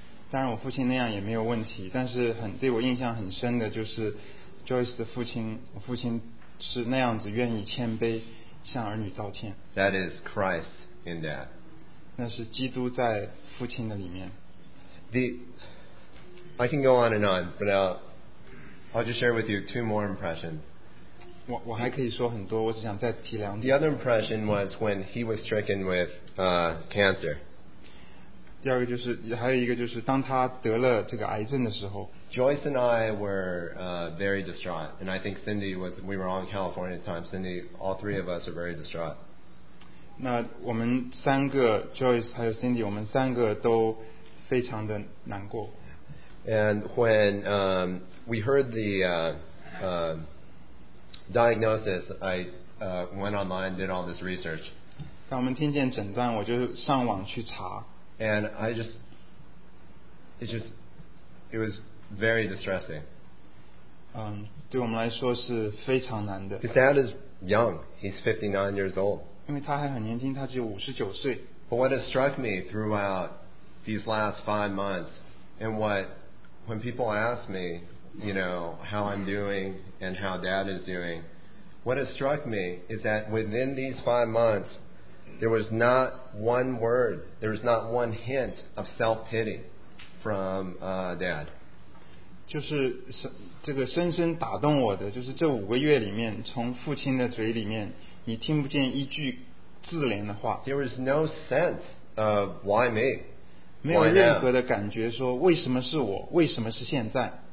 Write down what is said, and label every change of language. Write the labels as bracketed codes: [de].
[zh] 当然我父亲那样也没有问题，但是很对我印象很深的就是 Joyce 的父亲，我父亲是那样子愿意谦卑。向儿女道歉。 [en] That is Christ in that. [zh] 那是基督在父亲的里面。 [en] I can go on and on, but I'll just share with you two more impressions. [zh] 我还可以说很多，我只想再提两点。 [en] The other impression was when he was stricken with cancer. [zh] 第二个就是，还有一个就是当他得了这个癌症的时候。 [en] Joyce and I were very distraught, and I think Cindy was. We were all in California at the time. Cindy, all three of us are very distraught. [zh] 那我们三个 Joyce 还有 Cindy， 我们三个都非常的难过。 [en] And when we heard the diagnosis, I went online and did all this research. [zh] 当我们听见诊断，我就上网去查。 [en] And I just, it was. Very distressing. [zh] 对我们来说是非常难的。 [en] His dad is young. He's 59 years old. [zh] 因为他还很年轻，他只有59岁。 [en] But what has struck me throughout these last 5 months, and what when people ask me, you know, how I'm doing and how Dad is doing, what has struck me is that within these 5 months, there was not one word, there was not one hint of self-pity from Dad. [zh] 就是这个深深打动我的，就是这五个月里面，从父亲的嘴里面，你听不见一句自怜的话。 [en] There was no sense of why me. [zh] 没有任何的感觉说为什么是我，为什么是现在。